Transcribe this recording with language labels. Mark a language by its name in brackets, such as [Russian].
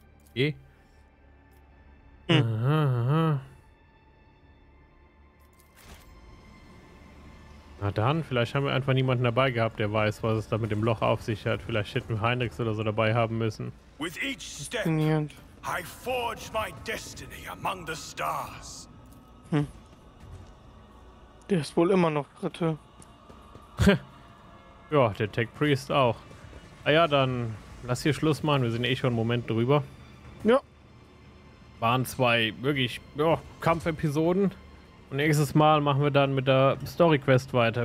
[German] Okay. Na dann, vielleicht haben wir einfach niemanden dabei gehabt, der weiß, was es da mit dem Loch auf sich hat. Vielleicht hätten wir Heinrichs oder so dabei haben müssen. [English] With each step, I forge my destiny among the stars. [German] Der ist wohl immer noch Dritte. Ja, der Tech Priest auch. Ah ja, dann lass hier Schluss machen. Wir sind eh schon einen Moment drüber. Ja. Waren zwei wirklich Kampfepisoden. Und nächstes Mal machen wir dann mit der Story-Quest weiter.